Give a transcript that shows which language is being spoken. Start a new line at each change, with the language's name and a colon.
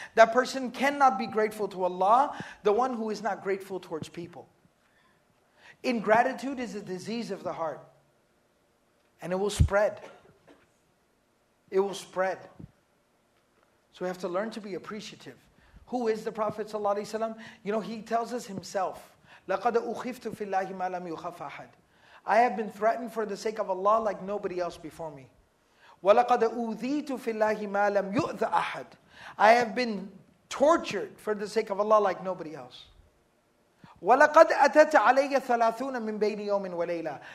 English: That person cannot be grateful to Allah, the one who is not grateful towards people. Ingratitude is a disease of the heart. And it will spread. It will spread. So we have to learn to be appreciative. Who is the Prophet sallallahu alayhi wa sallam? You know, he tells us himself,
Arabic: لَقَدْ أُخِفْتُ فِي اللَّهِ مَا لَمْ يُخَفْ أَحَدٍ.
English: I have been threatened for the sake of Allah like nobody else before me.
Arabic: وَلَقَدْ أُوذِيتُ فِي اللَّهِ مَا لَمْ يُؤْذَ أَحَدٍ.
English: I have been tortured for the sake of Allah like nobody else.
Arabic: وَلَقَدْ أَتَتْ عَلَيَّ ثَلَاثُونَ مِنْ بَيْنِ يَوْمٍ وَلَيْلَةٍ.